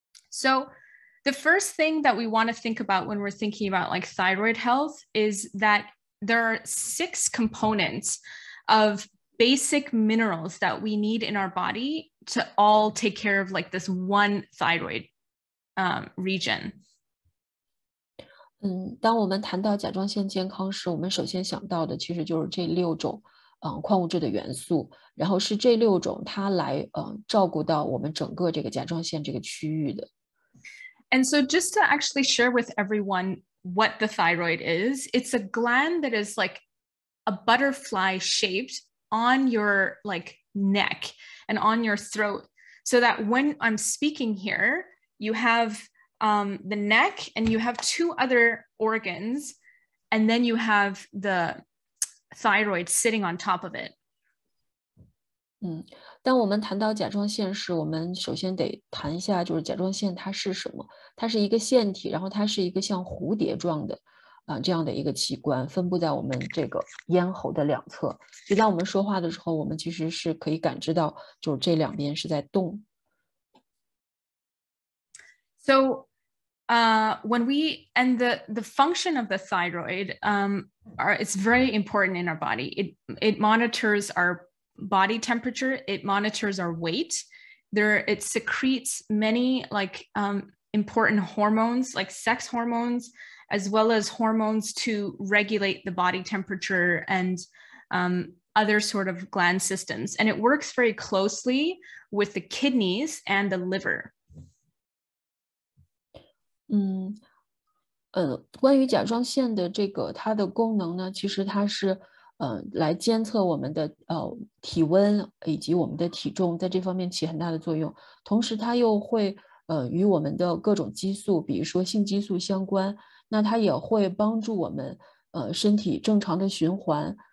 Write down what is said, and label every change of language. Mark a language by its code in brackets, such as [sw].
[en] So the first thing that we want to think about when we're thinking about like thyroid health is that there are six components of basic minerals that we need in our body to all take care of like this one thyroid region. [zh] 当我们谈到甲状腺健康时，我们首先想到的其实就是这六种矿物质的元素，然后是这六种它来照顾到我们整个这个甲状腺这个区域的。 [en] And so just to actually share with everyone what the thyroid is, it's a gland that is like a butterfly shaped on your like neck and on your throat. So that when I'm speaking here, you have the neck and you have two other organs, and then you have the thyroid sitting on top of it. [zh] 当我们谈到甲状腺时，我们首先得谈一下，就是甲状腺它是什么？它是一个腺体，然后它是一个像蝴蝶状的，这样的一个器官，分布在我们这个咽喉的两侧。就当我们说话的时候，我们其实是可以感知到，就是这两边是在动。 [en] So, when we and the function of the thyroid, it's very important in our body. It monitors our body temperature, it monitors our weight. It secretes many like important hormones, like sex hormones, as well as hormones to regulate the body temperature and other sort of gland systems. And it works very closely with the kidneys and the liver. [zh] 关于甲状腺的这个它的功能呢，其实它是来监测我们的体温以及我们的体重，在这方面起很大的作用。同时它又会与我们的各种激素，比如说性激素相关，那它也会帮助我们身体正常的循环。